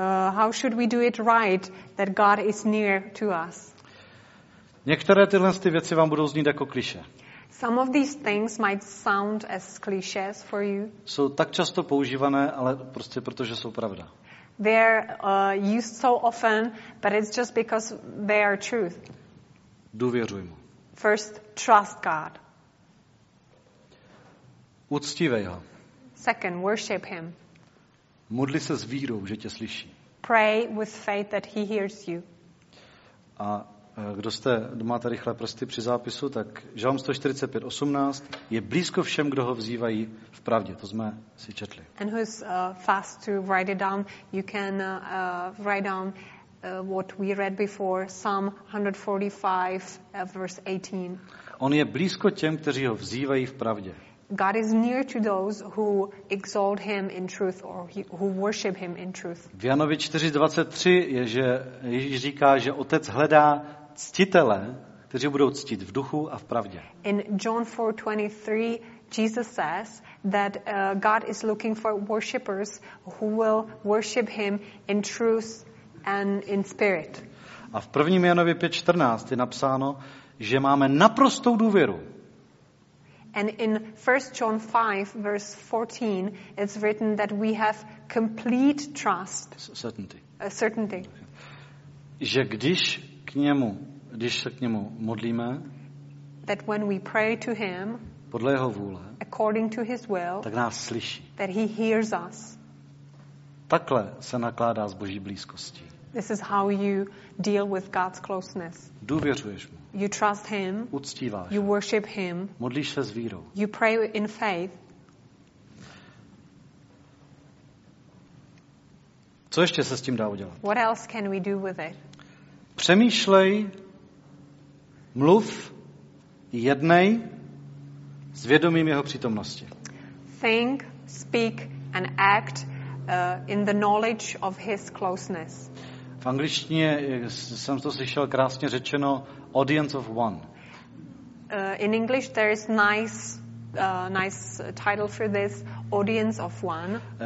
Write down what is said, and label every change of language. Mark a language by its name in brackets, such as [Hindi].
[English] How should we do it right that God is near to us? [Czech] Některé tyhle ty věci vám budou znít jako klišé. [English] Some of these things might sound as clichés for you. [Czech] Jsou tak často používané, ale prostě protože jsou pravda. [English] They're used so often, but it's just because they are truth. [Czech] Důvěřuj mu. [English] First, trust God. [Czech] Uctívej ho. [English] Second, worship him. [Czech] Modli se s vírou, že tě slyší. [English] Pray with faith that he hears you. [Czech] A kdo jste, máte rychlé prsty při zápisu, tak Žalm 145, 18 je blízko všem, kdo ho vzývají v pravdě. To jsme si četli. [English] And who's fast to write it down, you can write down what we read before, Psalm 145, verse 18. [Czech] On je blízko těm, kteří ho vzývají v pravdě. [English] God is near to those who exalt him in truth or who worship him in truth. [Czech] V Janovi 4:23 je, že Ježíš říká, že Otec hledá ctitele, kteří budou ctít v duchu a v pravdě. [English] In John 4:23 Jesus says that God is looking for worshipers who will worship him in truth and in spirit. [Czech] A v 1. Janově 5:14 je napsáno, že máme naprostou důvěru. [English] And in 1 John 5, verse 14, it's written that we have complete trust. Certainty. A certainty. [Czech] Že když se k němu modlíme, [English] that when we pray to him, [Czech] podle jeho vůle, [English] according to his will, [Czech] tak nás slyší. [English] That he hears us. [Czech] Takhle se nakládá s Boží blízkostí. [English] This is how you deal with God's closeness. [Czech] Důvěřuješ mu. [English] You trust him. [Czech] Uctíváš. [English] You worship him. [Czech] Modlíš se s vírou. [English] You pray in faith. [Czech] Co ještě se s tím dá udělat? [English] What else can we do with it? [Czech] Přemýšlej, mluv, jednej s vědomím jeho přítomnosti. [English] Think, speak and act in the knowledge of his closeness. [Czech] V angličtině jsem to slyšel krásně řečeno [English] audience of one. In English there is nice title for this audience of one.